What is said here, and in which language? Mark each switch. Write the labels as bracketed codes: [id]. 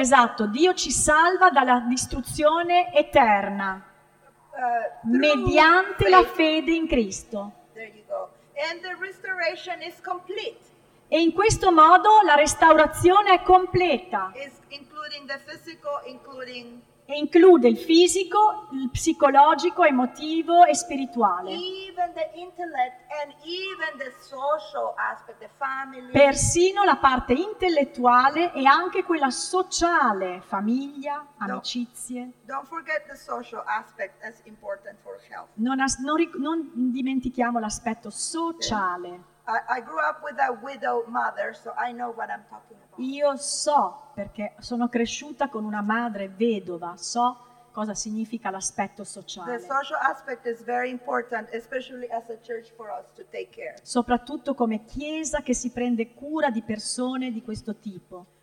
[it] Esatto, Dio ci salva dalla distruzione eterna mediante [en] faith. [it] La fede in Cristo. [en] There you go. And the restoration is complete. [it] E in questo modo la restaurazione è completa. [en] It's including the physical, including [it] e include il fisico, il psicologico, emotivo e spirituale. [en] Even the intellect and even the social aspect, the family. [it] Persino la parte intellettuale e anche quella sociale, famiglia, no. Amicizie. [en] Don't forget the social aspect as important for health. [it] Non dimentichiamo l'aspetto sociale. [en] I grew up with a widow mother, so I know what I'm talking about. [it] Io so, perché sono cresciuta con una madre vedova, so cosa significa l'aspetto sociale. [en] The social aspect is very important, especially as a church for us to take care. [it] Soprattutto come chiesa che si prende cura di persone di questo tipo.